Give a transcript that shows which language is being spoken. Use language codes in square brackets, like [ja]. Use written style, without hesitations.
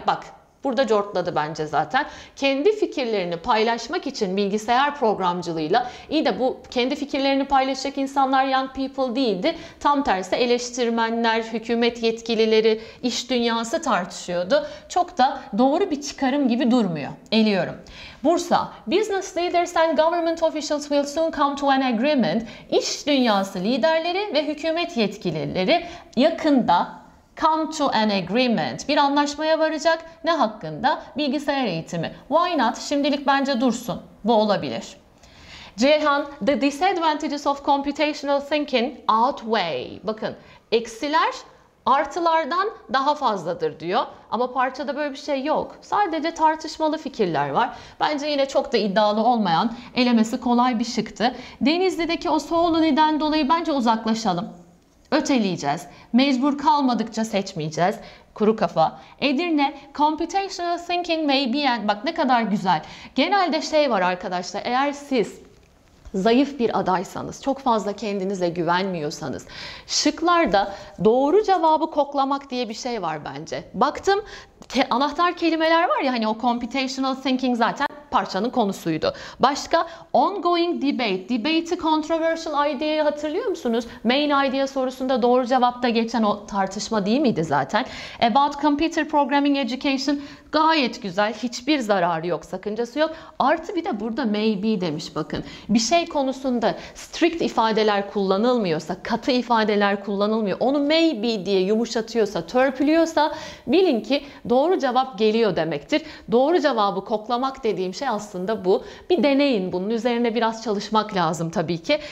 [tr] Bak burada cortladı bence zaten. Kendi fikirlerini paylaşmak için bilgisayar programcılığıyla, iyi de bu kendi fikirlerini paylaşacak insanlar [en] young people [tr] değildi. Tam tersi eleştirmenler, hükümet yetkilileri, iş dünyası tartışıyordu. Çok da doğru bir çıkarım gibi durmuyor. Eliyorum. [en] Bursa, business leaders and government officials will soon come to an agreement. [tr] İş dünyası liderleri ve hükümet yetkilileri yakında [en] come to an agreement. [tr] Bir anlaşmaya varacak. Ne hakkında? Bilgisayar eğitimi. [en] Why not? [tr] Şimdilik bence dursun. Bu olabilir. [en] Ceyhan, the disadvantages of computational thinking outweigh. [tr] Bakın, eksiler artılardan daha fazladır diyor. Ama parçada böyle bir şey yok. Sadece tartışmalı fikirler var. Bence yine çok da iddialı olmayan, elemesi kolay bir şıktı. Denizli'deki o soğulu neden dolayı bence uzaklaşalım. Öteleyeceğiz. Mecbur kalmadıkça seçmeyeceğiz. Kuru kafa. Edirne, [en] computational thinking may be an... [tr] Bak ne kadar güzel. Genelde şey var arkadaşlar, eğer siz zayıf bir adaysanız, çok fazla kendinize güvenmiyorsanız, şıklarda doğru cevabı koklamak diye bir şey var bence. Baktım, anahtar kelimeler var ya, hani o computational thinking zaten parçanın konusuydu. Başka [en] ongoing debate. [tr] Debate'i controversial idea'yı hatırlıyor musunuz? Main idea sorusunda doğru cevapta geçen o tartışma değil miydi zaten? [en] About computer programming education. [tr] Gayet güzel. Hiçbir zararı yok. Sakıncası yok. Artı bir de burada maybe demiş bakın. Bir şey konusunda strict ifadeler kullanılmıyorsa, katı ifadeler kullanılmıyor. Onu maybe diye yumuşatıyorsa, törpülüyorsa bilin ki doğru cevap geliyor demektir. Doğru cevabı koklamak dediğim şey aslında bu. Bir deneyin, bunun üzerine biraz çalışmak lazım tabii ki.